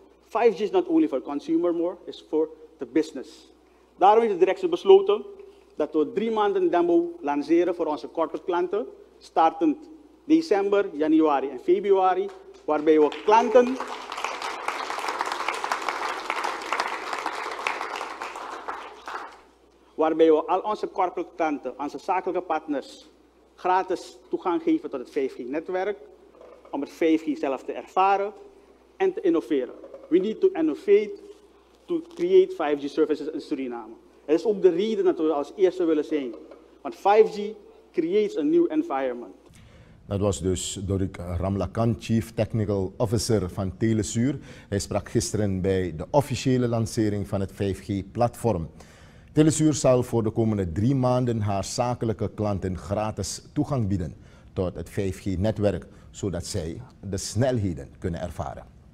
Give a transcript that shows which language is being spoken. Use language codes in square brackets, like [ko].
[en] 5G is not only for consumer more, it's for the business. [nl] Daarom is de directie besloten dat we 3 maanden demo lanceren voor onze corporate klanten, startend december, januari en februari. Waarbij we klanten al onze corporate klanten, onze zakelijke partners, gratis toegang geven tot het 5G-netwerk. Om het 5G zelf te ervaren en te innoveren. [en] We need to innovate to create 5G services in Suriname. [nl] Het is ook de reden dat we als eerste willen zijn. [en] Want 5G creates a new environment. [nl] Dat was dus Dorik Ramlakan, Chief Technical Officer van Telesuur. Hij sprak gisteren bij de officiële lancering van het 5G-platform. Telesuur zal voor de komende 3 maanden haar zakelijke klanten gratis toegang bieden tot het 5G-netwerk, zodat zij de snelheden kunnen ervaren.